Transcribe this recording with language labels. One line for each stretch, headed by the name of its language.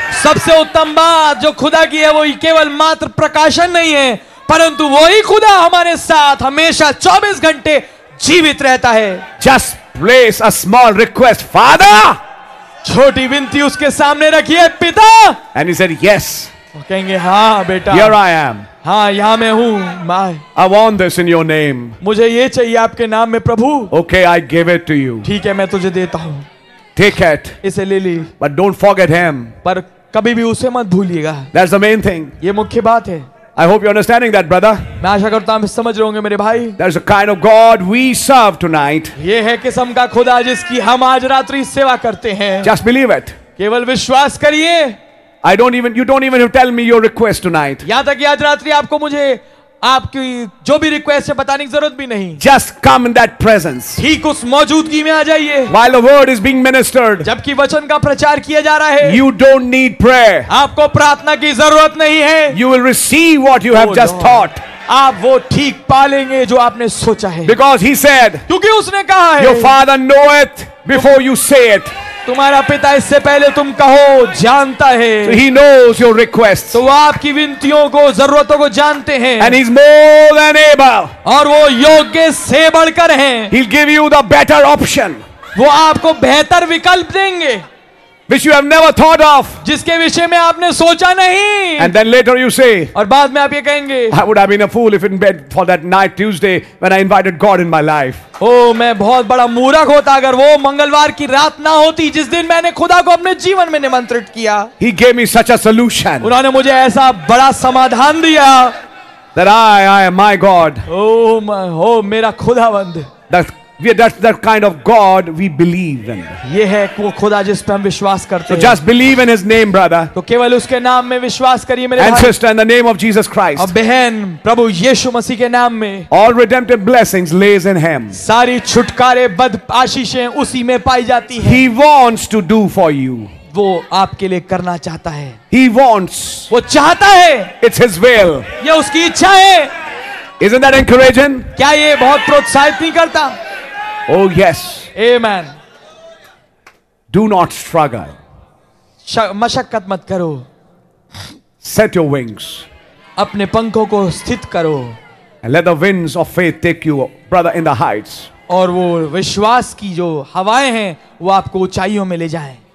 Hindi: सबसे उत्तम बात जो खुदा की है वो केवल मात्र प्रकाशन नहीं है परंतु वही खुदा हमारे साथ हमेशा 24 घंटे जीवित रहता है
English: just place a small request father
Hindi: छोटी विनती उसके सामने रखिए पिता
English: and he said yes
Hindi: कहेंगे हाँ बेटा
English: here I am
Hindi: हाँ यहाँ मैं हूँ my
English: I want this in your name
Hindi: मुझे ये चाहिए आपके नाम में प्रभु
English: okay I give it to you
Hindi: ठीक है मैं तुझे देता हूँ
English: take it
Hindi: इसे ले ली
English: but don't forget him
Hindi: पर कभी भी उसे मत भूलिएगा
English: that's the main thing
Hindi: ये मुख्य बात है
English: I hope you're understanding that, brother.
Hindi: मैं आशा करता हूँ समझ रहे होंगे मेरे भाई.
English: That's the kind of God we serve tonight.
Hindi: ये है किस्म का खुदा जिसकी हम आज रात्रि सेवा करते हैं.
English: Just believe it.
Hindi: केवल विश्वास करिए.
English: You don't even tell me your request tonight.
Hindi: यहाँ तक कि आज रात्रि आपको मुझे आपकी जो भी रिक्वेस्ट है बताने की जरूरत भी नहीं
English: just come in that presence
Hindi: ठीक उस मौजूदगी में आ जाइए
English: while the word is being ministered
Hindi: जबकि वचन का प्रचार किया जा रहा है
English: you don't need prayer
Hindi: आपको प्रार्थना की जरूरत नहीं है
English: you will receive what you have just thought
Hindi: आप वो ठीक पालेंगे जो आपने सोचा है
English: because he said
Hindi: क्योंकि उसने कहा है
English: your father knoweth before you say it
Hindi: तुम्हारा पिता इससे पहले तुम कहो जानता है
English: so he knows your request.
Hindi: तो आपकी विनतियों को जरूरतों को जानते हैं
English: And he's more than able.
Hindi: और वो योग्य से बढ़कर हैं
English: He'll give you the better option.
Hindi: वो आपको बेहतर विकल्प देंगे
English: Which you have never thought of.
Hindi: जिसके विषय में आपने सोचा नहीं
English: And then later you say,
Hindi: और बाद में आप ये कहेंगे
English: I would have been a fool if in bed for that night Tuesday when I invited God in my life.
Hindi: Oh, मैं बहुत बड़ा मूर्ख होता अगर वो मंगलवार की रात ना होती जिस दिन मैंने खुदा को अपने जीवन में निमंत्रित किया
English: He gave me such a solution.
Hindi: उन्होंने मुझे ऐसा बड़ा समाधान दिया
English: That I am my God.
Hindi: Oh, मेरा खुदावंद
English: That's the kind of God we believe in.
Hindi: ये है वो खुदा जिस पे हम विश्वास करते हैं.
English: So just believe in His name, brother.
Hindi: तो केवल उसके नाम में विश्वास करिए मेरे भाई.
English: And sister, in the name of Jesus Christ.
Hindi: और बहन, प्रभु यीशु मसीह के नाम में.
English: All redemptive blessings lays in Him.
Hindi: सारी छुटकारे, बद आशीषें उसी में पाई जाती हैं.
English: He wants to do for you.
Hindi: वो आपके लिए करना चाहता है.
English: He wants.
Hindi: वो चाहता है.
English: It's His will.
Hindi: ये उसकी इच्छा है.
English: Isn't that encouraging?
Hindi: क्या ये बहुत प्रोत्साहित नहीं करता?
English: Oh yes. Amen. Do not struggle.
Hindi: मशक्कत मत करो.
English: Set your wings.
Hindi: अपने पंखों को स्थित करो.
English: And let the winds of faith take you, brother, in the heights.
Hindi: और वो विश्वास की जो हवाएं हैं, वो आपको ऊंचाइयों में ले जाएं.